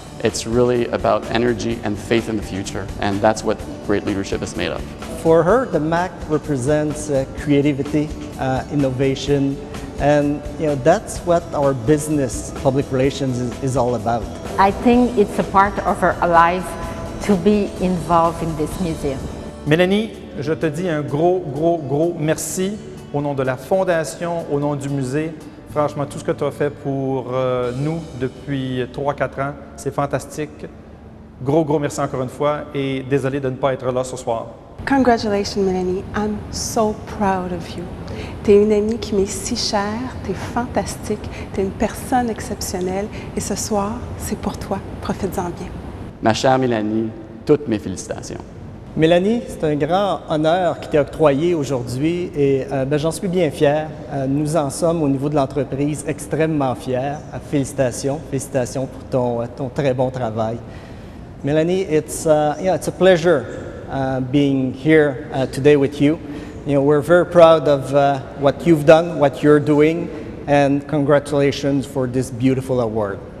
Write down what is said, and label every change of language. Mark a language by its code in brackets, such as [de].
[en] It's really about energy and faith in the future, and that's what great leadership is made of. For her, the Mac represents creativity, innovation, and that's what our business, public relations, is all about. I think it's a part of her life to be involved in this museum. [fr] Melanie, je te dis un gros, gros, gros merci au nom de la Fondation, au nom du musée. Franchement, tout ce que tu as fait pour nous depuis 3-4 ans, c'est fantastique. Gros, gros merci encore une fois et désolé de ne pas être là ce soir. [en] Congratulations, Melanie. I'm so proud of you. [fr] T'es une amie qui m'est si chère, t'es fantastique, t'es une personne exceptionnelle et ce soir, c'est pour toi. Profites-en bien. Ma chère Melanie, toutes mes félicitations. Melanie, c'est un grand honneur qui t'est octroyé aujourd'hui et j'en suis bien fier. Nous en sommes au niveau de l'entreprise extrêmement fiers. Félicitations pour ton très bon travail. [en] Melanie, it's a pleasure being here today with you. We're very proud of what you've done, what you're doing, and congratulations for this beautiful award.